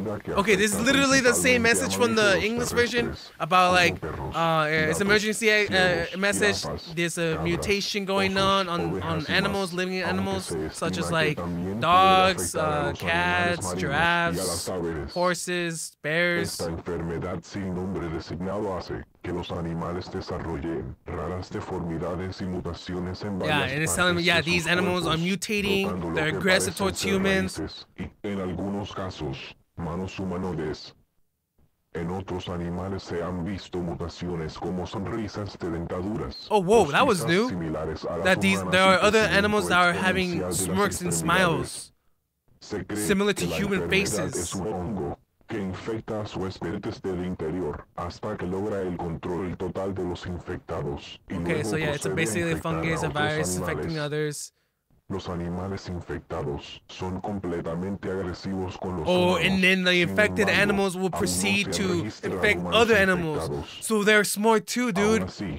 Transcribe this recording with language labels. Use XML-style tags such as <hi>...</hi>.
<en>Okay, this is literally the same message from the English version about, like, it's an emergency message. There's a mutation going on animals, living animals, such as, like, dogs, cats, giraffes, horses, bears.</en> <es>Esta enfermedad sin nombre designado hace que los animales desarrollen raras deformidades y mutaciones en varias partes.</es> <en>Yeah, and it's telling me, yeah, these animals are mutating, they're aggressive towards humans.</en> <es>Y en algunos casos, manos humanoides. En otros animales se han visto mutaciones como sonrisas de dentaduras.</es> <en>Oh, whoa, that was new. That there are other animals that are having smirks and smiles. Similar to human faces.</en> <es>Es un hongo que infecta a su huésped desde el interior hasta que logra el control total de los infectados.</es> <en>Okay, so yeah, it's basically a fungus, a virus infecting others.</en> <es>Los animales infectados son completamente agresivos con los</es> <en>Oh, and then the infected animals will proceed to infect other animals. So they're smart too, dude.</en>